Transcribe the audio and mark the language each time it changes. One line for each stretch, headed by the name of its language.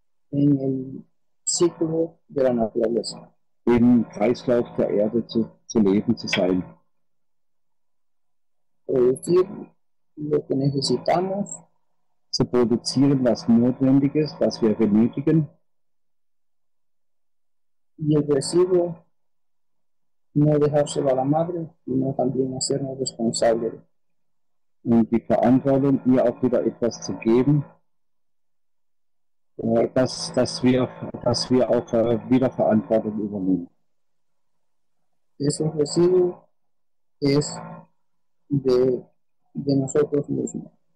Spanish: in el ciclo de la naturaleza.
German: Im Kreislauf der Erde zu leben, zu sein.
Spanish: Producir lo que necesitamos.
German: Zu produzieren, was notwendig ist, was wir benötigen.
Spanish: Y el residuo no dejárselo a la madre, sino también hacernos responsables.
German: Und die Verantwortung, ihr auch wieder etwas zu geben. Dass wir auch wieder Verantwortung übernehmen. Dieses
Spanish: Residuo
German: ist
Spanish: de nosotros mismos.